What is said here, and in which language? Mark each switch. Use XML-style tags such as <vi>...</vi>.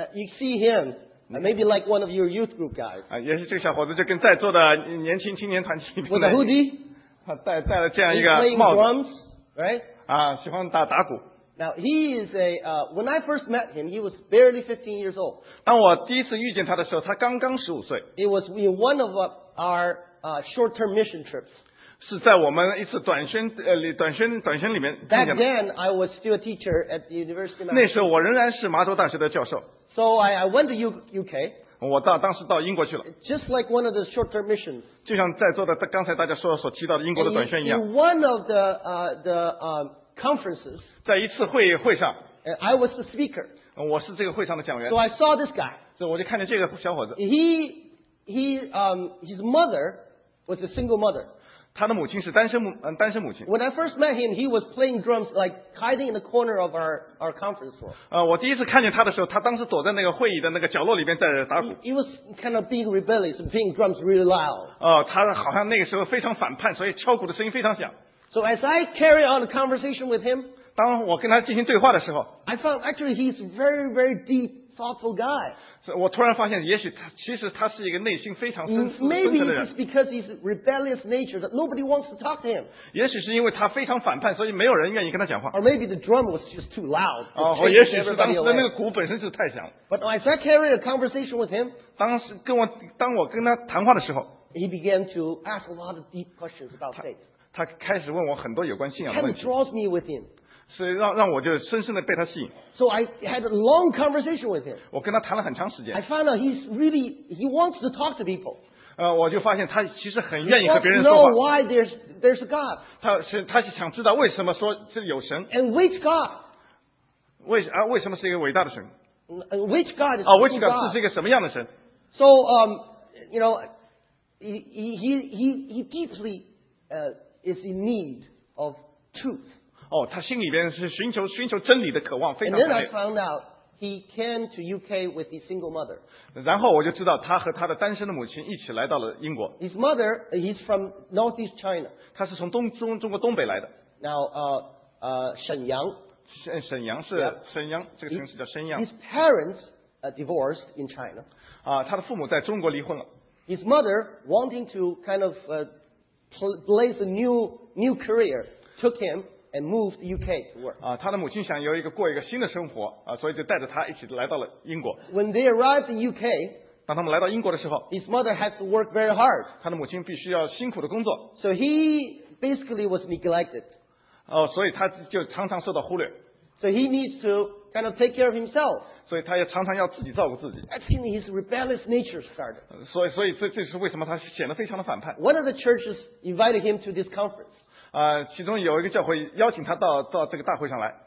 <en>You see him, maybe like one of your youth group guys.</en> <zh>也是这个小伙子就跟在座的年轻青年团体。</zh> <en>With a hoodie.</en> <zh>他戴了这样一个帽子。</zh> <en>He's playing drums, right?</en> <zh>喜欢打鼓。</zh> <en>Now he is a when I first met him, he was barely 15 years old.</en> <zh>当我第一次遇见他的时候，他刚刚十五岁。</zh> <en>It was in one of our short-term mission trips.</en> <zh>是在我们一次短宣里面。</zh> <en>Back then, I was still a teacher at the University of Manchester.</en> <zh>那时候我仍然是麻州大学的教授。</zh> <en>So I went to UK.</en> <zh>我当时到英国去了。</zh> <en>Just like one of the short-term missions.</en> <zh>就像在座的刚才大家所提到的英国的短宣一样。</zh> <en>In one of the conferences.</en> <zh>在一次会上</zh> <en>I was the speaker.</en> <zh>我是这个会上的讲员。</zh> <en>So I saw this guy.</en> <zh>所以我就看见这个小伙子。</zh> <en>His mother was a single mother.</en> <zh>他的母亲是单身母亲。</zh> <en>When I first met him, he was playing drums like hiding in the corner of our conference room.</en> <zh>我第一次看见他的时候，他当时躲在那个会议的那个角落里边在打鼓。</zh> <en>He was kind of being rebellious, playing drums really loud.</en> <zh>他好像那个时候非常反叛，所以敲鼓的声音非常响。</zh> <en>So as I carry on a conversation with him,</en> <zh>当我跟他进行对话的时候</zh> <en>I found actually he's very, very deep thoughtful guy.</en> <zh>我突然发现也许他其实他是一个内心非常深思深的人。</zh> <en>Maybe it's because he's rebellious nature that nobody wants to talk to him.</en> <zh>也许是因为他非常反叛，所以没有人愿意跟他讲话。</zh> <en>Or maybe the drum was just too loud.</en> <zh>也许是当时那个鼓本身是太响。</zh> <en>But as I carried a conversation with him,</en> <zh>当我跟他谈话的时候,</zh> <en>he began to ask a lot of deep questions about faith.</en> <zh>他开始问我很多有关信仰的问题。</zh> <en>Kind of draws me with him.</en> <zh>所以让我就深深的被他吸引。</zh> <en>So I had a long conversation with him.</en> <zh>我跟他谈了很长时间。</zh> <en>I found out he's really, he wants to talk to people.</en> <zh>我就发现他其实很愿意和别人说话。</zh> <en>He wants to know why there's a God.</en> <zh>他想知道为什么说是有神。</zh> <en>And which God?</en> <zh>为什么是一个伟大的神?</zh> <en>Which God is God? Which God</en> <zh>是一个什么样的神?</zh> <en>So, you know, he deeply is in need of truth.</en> <zh>他心里边是寻求真理的渴望非常强烈。</zh> <en>And then I found out he came to UK with his single mother.</en> <zh>然后我就知道他和他的单身的母亲一起来到了英国。</zh> <en>His mother, he's from northeast China.</en> <zh>他是从中国东北来的。</zh> <en>Now, 沈阳。</en> <zh>沈阳是沈阳，这个城市叫沈阳。</zh> <en>His parents divorced in China.</en> <zh>他的父母在中国离婚了。</zh> <en>His mother wanting to kind of place a new career took him. And moved to UK to work.</en> <zh>他的母亲想过一个新的生活，所以就带着他一起来到了英国。</zh> <en>When they arrived in UK,</en> <zh>当他们来到英国的时候,</zh> <en>his mother had to work very hard.</en> <zh>他的母亲必须要辛苦的工作。</zh> <en>So he basically was neglected.</en> <zh>所以他就常常受到忽略。</zh> <en>So he needs to kind of take care of himself.</en> <zh>所以他也常常要自己照顾自己。</zh> <en>That's when his rebellious nature started.</en> <zh>所以这是为什么他显得非常的反叛。</zh> <en>One of the churches invited him to this conference.</en> <zh>其中有一个教会邀请他到这个大会上来。</zh>